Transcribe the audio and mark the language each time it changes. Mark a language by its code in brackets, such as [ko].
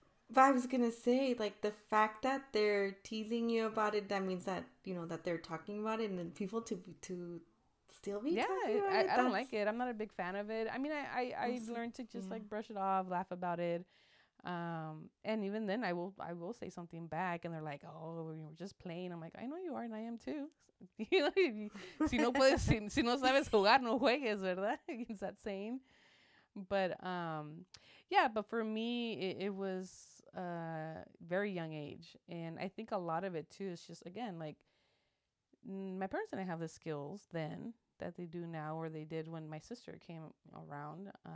[en] But I was going to say, like, the fact that they're teasing you about it, that means that, you know, that they're talking about it and then people to still be talking about it. Yeah, I don't like it. I'm not a big fan of it. I mean, I've learned to just, like, brush it off, laugh about it. And even then, I will say something back and they're like, oh, you were just playing. I'm like, I know you are and I am too. [es] Si no puedes, si no sabes jugar, no juegues, ¿verdad? [en] It's that saying. But, yeah, but for me, it was a very young age. And I think a lot of it, too, is just, again, like, my parents didn't have the skills then that they do now or they did when my sister came around.